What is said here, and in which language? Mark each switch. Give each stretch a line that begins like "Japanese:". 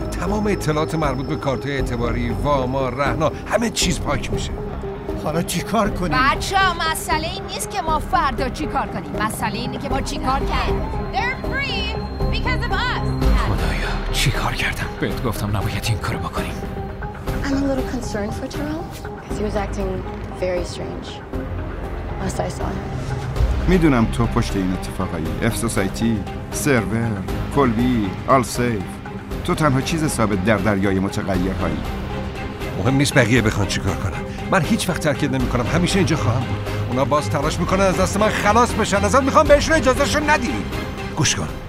Persian: تمام اطلاعات مربوط به کارت اعتباری، واما، رهنا، همه چیز پاک میشه. حالا چی کار کنیم؟ بچه ها مسئله این نیست که ما فردا چی کار کنیم. مسئله اینه که ما چی کار کردیم. خدایا چی کار کردم؟ بهت گفتم نباید این کارو بکنیم.
English: I'm a little concerned for Terrell because he was acting very strange last I saw him.
Persian: میدونم تو پشت این اتفاقایی. F-Society، سرور، کلبی، آل سیف. تو تنها چیز ثابت در دریای متغیرهایی. مهم نیست بقیه بخوان چی کار کنن. من هیچ وقت ترکید نمی کنم. همیشه اینجا خواهم بود. اونا باز تلاش میکنن از دست من خلاص بشن. ازت میخوام بهشون اجازه شون ندی. گوش کن.